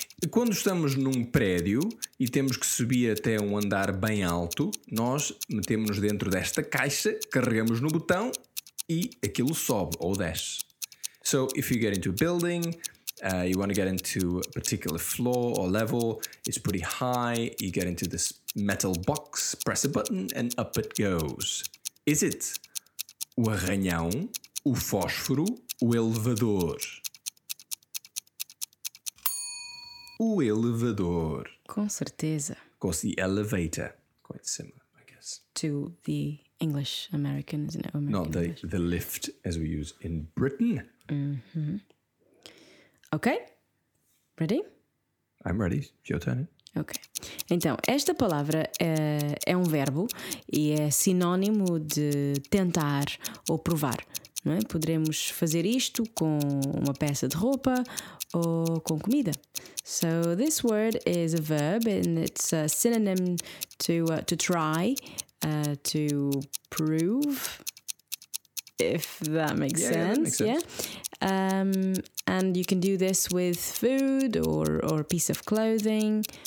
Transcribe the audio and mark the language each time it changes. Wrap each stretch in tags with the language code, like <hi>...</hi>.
<pt>Quando estamos num prédio e temos que subir até um andar bem alto, nós metemos-nos dentro desta caixa, carregamos no botão e aquilo sobe ou desce.</pt> <en>So if you get into a building, you want to get into a particular floor or level, it's pretty high, you get into this metal box, press a button and up it goes. Is it</en> <pt>o arranhão, o fósforo, o elevador? O elevador. Com certeza.</pt> <en>Of course, the elevator. Quite similar, I guess. To the English American, isn't it? American Not the, English. The lift as we use in Britain. Mm-hmm. Okay, ready? I'm ready, it's your turn. Ok.</en> <pt>Então, esta palavra é um verbo e é sinónimo de tentar ou provar, não é? Poderemos fazer isto com uma peça de roupa ou com comida.</pt> <en>So, this word is a verb and it's a synonym to try, to prove, if that makes sense. Yeah, that makes sense. Yeah? And you can do this with food or a piece of clothing.</en>